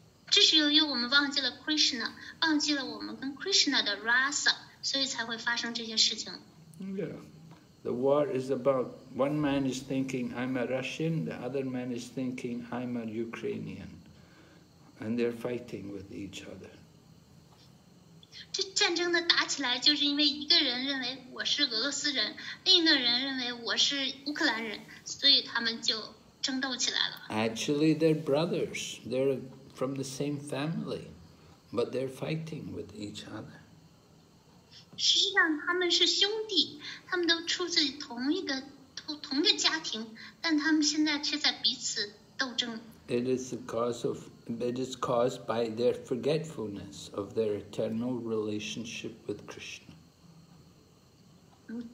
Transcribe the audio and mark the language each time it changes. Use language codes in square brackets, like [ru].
[zh] 这是由于我们忘记了 Krishna, 忘记了我们跟 Krishna 的 rasa, 所以才会发生这些事情。 [en] Yeah, the war is about one man is thinking I'm a Russian, the other man is thinking I'm a Ukrainian, and they're fighting with each other. [zh] 这战争的打起来就是因为一个人认为我是俄罗斯人，另一个人认为我是乌克兰人，所以他们就争斗起来了。 [en] Actually, they're brothers. They're from the same family, but they're fighting with each other. [zh] 实际上他们是兄弟，他们都出自同一个家庭，但他们现在却在彼此斗争。 [en] It is the cause of, it is caused by their forgetfulness of their eternal relationship with Krishna.